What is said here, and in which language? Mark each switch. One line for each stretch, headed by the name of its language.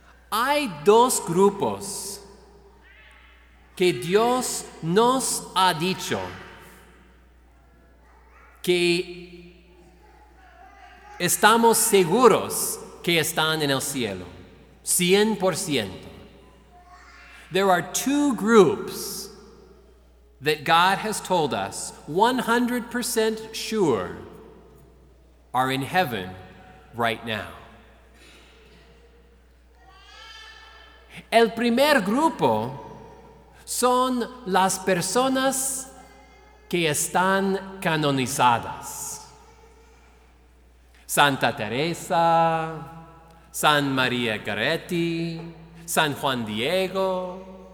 Spanish: Hay dos grupos que Dios nos ha dicho que estamos seguros que están en el cielo, 100%.
English: There are two groups that God has told us 100% sure are in heaven right now.
Spanish: El primer grupo son las personas que están canonizadas. Santa Teresa, San María Goretti, San Juan Diego.